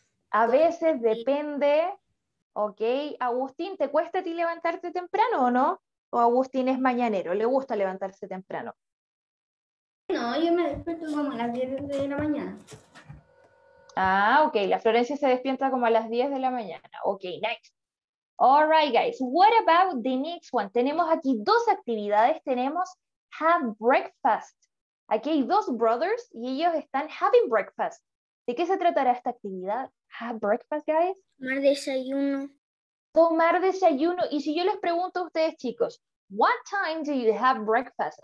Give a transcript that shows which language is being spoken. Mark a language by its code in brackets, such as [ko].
[es] A veces depende. Ok. Agustín, ¿te cuesta a ti levantarte temprano o no? O Agustín es mañanero, le gusta levantarse temprano. No, yo me despierto como a las 10 de la mañana. Ah, ok, la Florencia se despierta como a las 10 de la mañana. Ok, nice. [en] All right, guys, what about the next one? [es] Tenemos aquí dos actividades, tenemos have breakfast. Aquí hay dos brothers y ellos están having breakfast. ¿De qué se tratará esta actividad? Have breakfast, guys. Tomar desayuno. Tomar desayuno. Y si yo les pregunto a ustedes, chicos, what time do you have breakfast?